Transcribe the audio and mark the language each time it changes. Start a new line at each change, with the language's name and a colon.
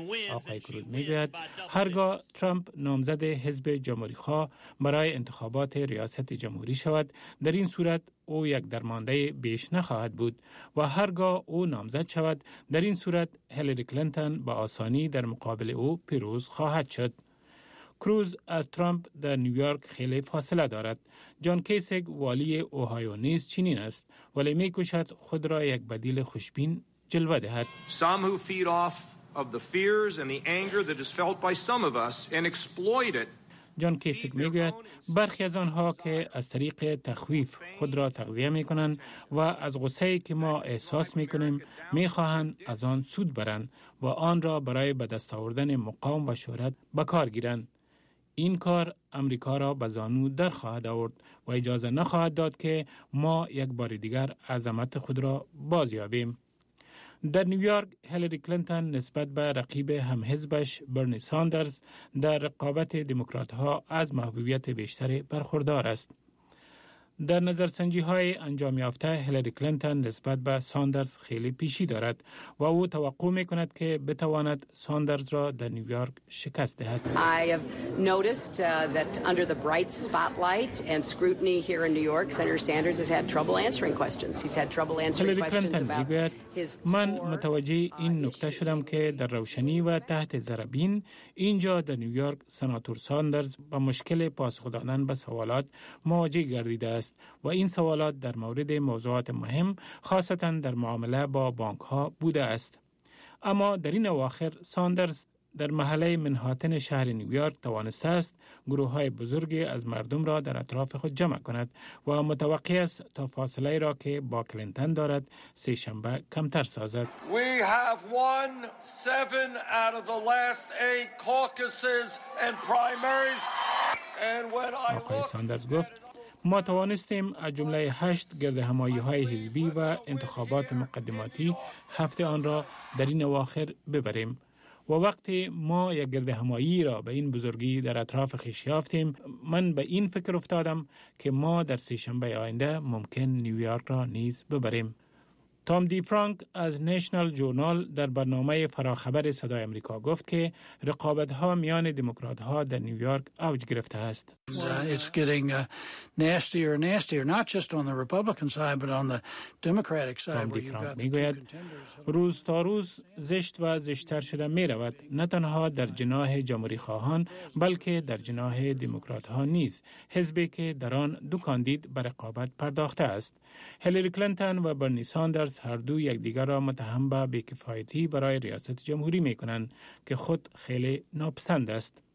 Persian: آقای کروز می گوید هرگاه ترامپ نامزد حزب جمهوری خواه برای انتخابات ریاست جمهوری شود، در این صورت او یک درمانده بیش نخواهد بود، و هرگاه او نامزد شود، در این صورت هیلاری کلینتون با آسانی در مقابل او پیروز خواهد شد. کروز از ترامپ در نیویورک خیلی فاصله دارد. جان کیسیک والی اوهایو نیز چنین است، ولی می کوشد خود را یک بدیل خوشبین جلوه دهد.
English: Some who feed off of the fears and the anger that is felt by some of us and exploit it.
Persian: جان کیسیک می گوید برخی از آنها که از طریق تخویف خود را تغذیه می کنند و از غصه ای که ما احساس می کنیم می خواهند از آن سود برند و آن را برای به دست آوردن مقام و شهرت به کار گیرند. این کار امریکا را به زانو در خواهد آورد و اجازه نخواهد داد که ما یک بار دیگر عظمت خود را بازیابیم. در نیویورک هیلاری کلینتون نسبت به رقیب همحزبش برنی ساندرز در رقابت دموکرات‌ها از محبوبیت بیشتری برخوردار است. در نظرسنجی‌های انجام یافته هیلاری کلینتون نسبت به ساندرز خیلی پیشی دارد و او توقع می‌کند که بتواند ساندرز را در نیویورک شکست دهد.
English: I have noticed that under the bright spotlight and scrutiny here in New York, Senator Sanders has had trouble answering questions. He's had trouble answering questions about his core.
Persian: من متوجه این نکته شدم که در روشنی و تحت ذره‌بین اینجا در نیویورک سناتور ساندرز با مشکل پاسخ دادن به سوالات مواجه گردیده است، و این سوالات در مورد موضوعات مهم خاصتا در معامله با بانک ها بوده است. اما در این اواخر ساندرز در محله منهاتن شهر نیویورک توانسته است گروه های بزرگی از مردم را در اطراف خود جمع کند و متوقع است تا فاصله را که با کلینتون دارد سه شنبه کمتر سازد.
English: We have won 7 out of the last 8 caucuses and primaries. And when I look,
Persian: ساندرز گفت ما توانستیم از جمله 8 گردهمایی‌های حزبی و انتخابات مقدماتی هفته آن را در این اواخر ببریم، و وقتی ما یک گردهمایی را به این بزرگی در اطراف خویش یافتیم، من به این فکر افتادم که ما در سه‌شنبه آینده ممکن نیویورک را نیز ببریم. تا تام دی فرانک از نیشنال جورنال در برنامه فراخبر صدای امریکا گفت که رقابت ها میان دموکرات ها در نیویورک اوج گرفته است.
English: It's getting nastier and nastier, not just on the Republican side, but on the Democratic side.
Persian: تام دی فرانک میگوید روز تا روز زشت و زشتر شده می رود، نه تنها در جناح جمهوری خواهان بلکه در جناح دموکرات ها نیز، حزبی که در آن دو کاندید بر رقابت پرداخته است. هیلری کلینتون و برنی ساندرز هر دو یکدیگر را متهم به بی‌کفایتی برای ریاست جمهوری می‌کنند که خود خیلی ناپسند است.